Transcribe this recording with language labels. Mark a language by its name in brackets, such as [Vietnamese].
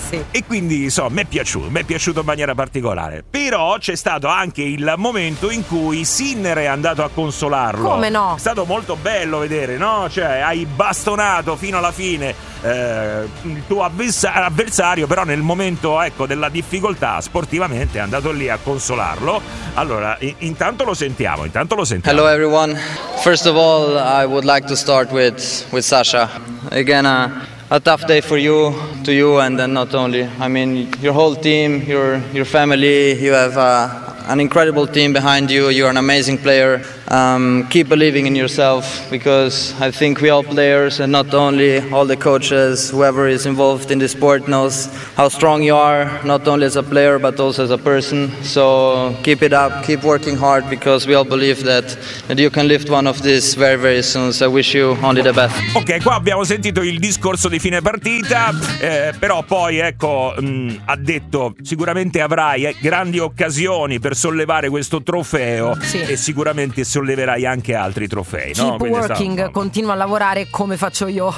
[Italian] E quindi, insomma, mi è piaciuto in maniera particolare. Però c'è stato anche il momento in cui Sinner è andato a consolarlo. Come no? È stato molto bello vedere, no? Cioè, hai bastonato fino alla fine il tuo avversario, però nel momento, ecco, della difficoltà sportivamente è andato lì a consolarlo. Allora, intanto lo sentiamo. [English] Hello everyone. First of all, I would like to start with Sasha. Again, a tough day for you, to you, and then not only. I mean, your whole team, your family, you have an incredible team behind you. You are an amazing player. Keep believing in yourself, because I think we all players, and not only all the coaches, whoever is involved in the sport, knows how strong you are, not only as a player but also as a person. So keep it up, keep working hard, because we all believe that you can lift one of these very very soon. So I wish you only the best. [Italian] Ok, qua abbiamo sentito il discorso di fine partita, però poi, ecco, ha detto: sicuramente avrai grandi occasioni per sollevare questo trofeo. Sì. E sicuramente solleverai anche altri trofei. [English] Keep [Italian] no? [English] working, [Italian] stato, no. Continua a lavorare come faccio io.